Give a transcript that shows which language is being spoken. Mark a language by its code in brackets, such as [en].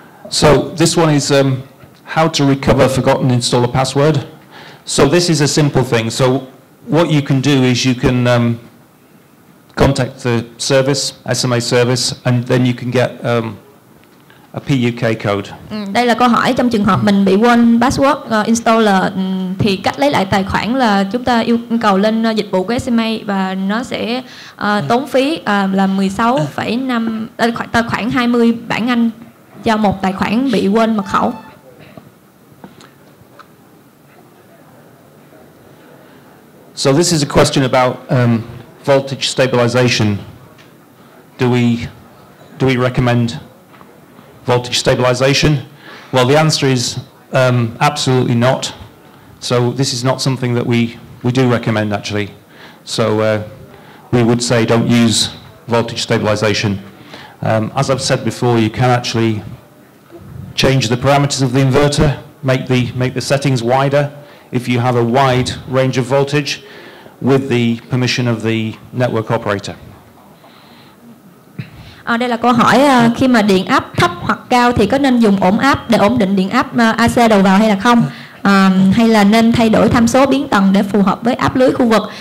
[en] So this one is how to recover forgotten installer password. So this is a simple thing. So what you can do is you can contact the service, SMA service, and then you can get a PUK code. [vi] Đây là câu hỏi trong trường hợp mình bị quên password installer thì cách lấy lại tài khoản là chúng ta yêu cầu lên dịch vụ của SMA và nó sẽ tốn phí là 16,5 tài khoản 20 bảng Anh cho một tài khoản bị quên mật khẩu. [en] So this is a question about voltage stabilization. Do we recommend voltage stabilization? Well, the answer is absolutely not. So this is not something that we do recommend actually. So we would say don't use voltage stabilization. As I've said before, you can actually change the parameters of the inverter, make the settings wider if you have a wide range of voltage with the permission of the network operator. [vi] Đây là câu hỏi khi mà điện áp thấp hoặc cao thì có nên dùng ổn áp để ổn định điện áp AC đầu vào hay là không? Hay là nên thay đổi tham số biến tầng để phù hợp với áp lưới khu vực?